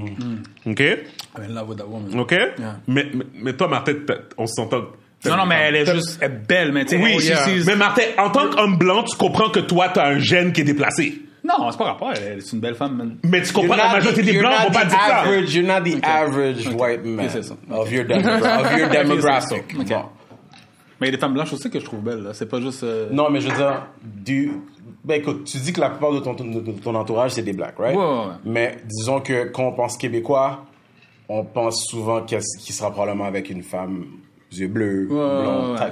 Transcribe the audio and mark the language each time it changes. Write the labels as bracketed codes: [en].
[en] I'm in love with that woman. [fr] OK? Yeah. Mais toi, Martin, on s'entend... Non, mais elle est juste... Elle est belle, mais tu sais... [en] Oui, oh, yeah. [fr] Mais Martin, en tant qu'homme blanc, tu comprends que toi, t'as un gène qui est déplacé. Non, c'est pas rapport. Elle est une belle femme. Man. Mais tu comprends, [en] you're [fr] la majorité des blancs vont pas dire ça. [en] You're not the average white man of your demographic. [fr] Mais les femmes blanches aussi que je trouve belles, là. C'est pas juste... Non, mais je veux dire... Ben écoute, tu dis que la plupart de ton entourage, c'est des blacks, right? Ouais. Mais disons que quand on pense québécois, on pense souvent qu'il sera probablement avec une femme aux yeux bleus, blonde.